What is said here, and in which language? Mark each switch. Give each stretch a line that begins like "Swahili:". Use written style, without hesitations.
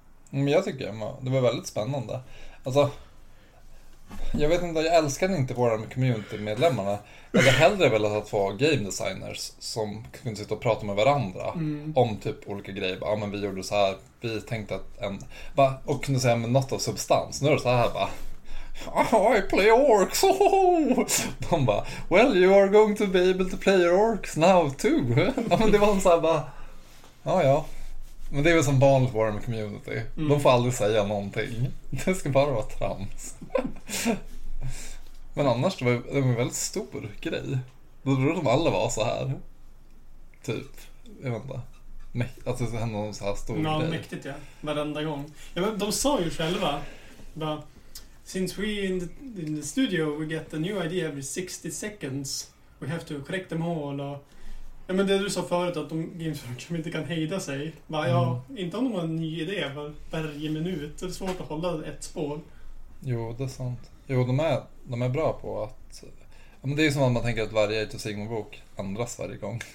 Swedish: Men jag tycker det var väldigt spännande. Alltså, jag vet inte, jag älskar inte våra community-medlemmarna. Jag hade hellre velat ha 2 game designers som kunde sitta och prata med varandra om typ olika grejer. Ja, men vi gjorde så här, vi tänkte att en, va? Och kunde säga med något av substans. Nu är det så här, va?
English: I play orcs, oh! De bara, well, you are going to be able to play your orcs now too.
Swedish: Ja, men det var en så här, va? Ja, ja. Men det är väl som vanligt vara med community. Mm. De får aldrig säga någonting. Det ska bara vara trams. Men annars, det var en väldigt stor grej. Då tror de alla var så här. Typ, jag vet inte. Att det hände någon så här stor ja, grej. Ja, mäktigt ja. Varenda gång. Ja, men de sa ju själva.
English: Bara, since we in the studio, we get a new idea every 60 seconds. We have to correct them all och...
Swedish: Ja, men det du sa förut, att de gamesworkar inte kan hejda sig. Bara, ja, inte om de har en ny idé varje minut. Det är svårt att hålla ett spår. Jo, det är sant. Jo, de är bra på att... Ja, men det är som att man tänker att varje Age of Sigmar-bok ändras varje gång.